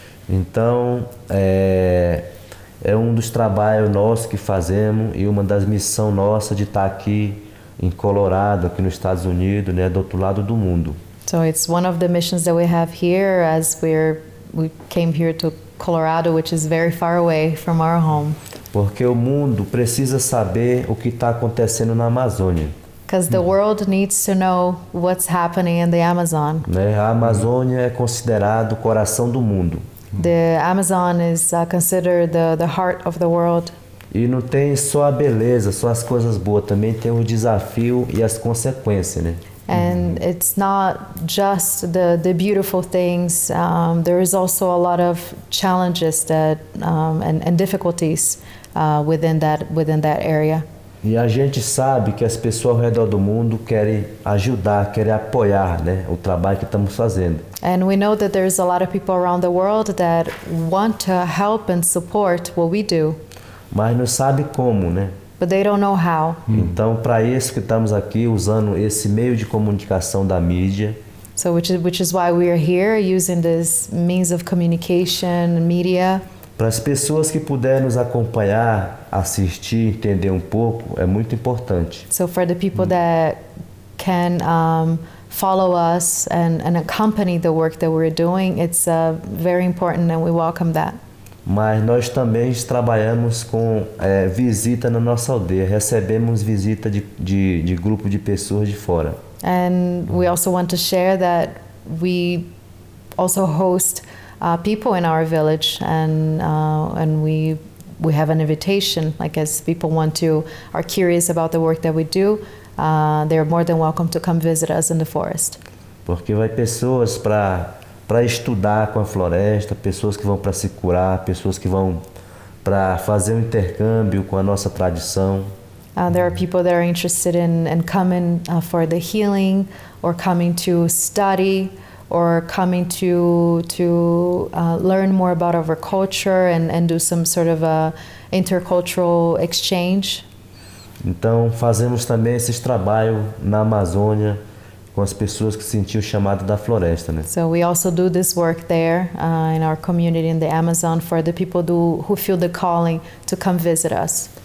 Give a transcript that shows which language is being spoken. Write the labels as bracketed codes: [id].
[pt] Então, é um dos trabalhos nossos que fazemos e uma das missões nossas de estar aqui em Colorado, aqui nos Estados Unidos, né, do outro lado do mundo. [en] So it's one of the missions that we have here as we came here to Colorado, which is very far away from our home. [pt] Porque o mundo precisa saber o que está acontecendo na Amazônia. [en] Because the world needs to know what's happening in the Amazon. Né? [pt] A Amazônia é considerado o coração do mundo. [en] The Amazon is considered the heart of the world. [pt] E não tem só a beleza, só as coisas boas, também tem o desafio e as consequências, né? [en] And it's not just the beautiful things. There is also a lot of challenges that and difficulties within that area. [pt] E a gente sabe que as pessoas ao redor do mundo querem ajudar, querem apoiar, né, o trabalho que estamos fazendo. [en] And we know that there's a lot of people around the world that want to help and support what we do. [pt] Mas não sabe como, né? [en] But they don't know how. [pt] Então, para isso que estamos aqui usando esse meio de comunicação da mídia. [en] So which is why we are here using this means of communication, media. [pt] Para as pessoas que puderem nos acompanhar, assistir, entender um pouco, é muito importante. [en] So for the people that can follow us and accompany the work that we're doing, it's very important and we welcome that. [pt] Mas nós também trabalhamos com visita na nossa aldeia, recebemos visita de grupo de pessoas de fora. [en] And we also want to share that we also host people in our village and we have an invitation, like as people are curious about the work that we do, they're more than welcome to come visit us in the forest. [pt] Porque vai pessoas para estudar com a floresta, pessoas que vão para se curar, pessoas que vão para fazer um intercâmbio com a nossa tradição. [en] There are people that are interested in coming for the healing, or coming to study, or coming to learn more about our culture and do some sort of a intercultural exchange. [pt] Então, fazemos também esses trabalhos na Amazônia com as pessoas que sentiu o chamado da floresta, né? [en] So we also do this work there in our community in the Amazon for the people who feel the calling to come visit us.